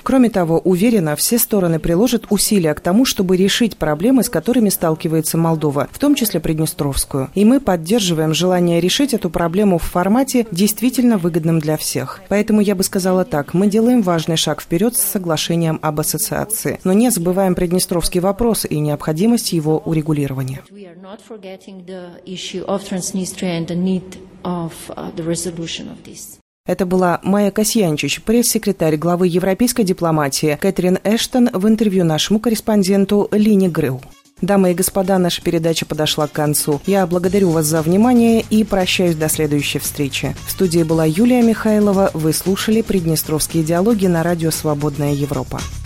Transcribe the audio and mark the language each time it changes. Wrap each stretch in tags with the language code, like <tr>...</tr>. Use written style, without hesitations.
<ru>Кроме того, уверена, все стороны приложат усилия к тому, чтобы решить проблемы, с которыми сталкивается Молдова, в том числе Приднестровскую. И мы поддерживаем желание решить эту проблему в формате, действительно выгодном для всех. Поэтому я бы сказала так, мы делаем важный шаг вперед с соглашением об ассоциации. Но не забываем приднестровский вопрос и необходимость его урегулирования.</ru> <en>We are not forgetting the issue of Transnistria and the need of the resolution of this.</en> <ru>Это была Майя Касьянчич, пресс-секретарь главы европейской дипломатии Кэтрин Эштон в интервью нашему корреспонденту Лине Грилл. Дамы и господа, наша передача подошла к концу. Я благодарю вас за внимание и прощаюсь до следующей встречи. В студии была Юлия Михайлова. Вы слушали «Приднестровские диалоги» на радио «Свободная Европа».</ru>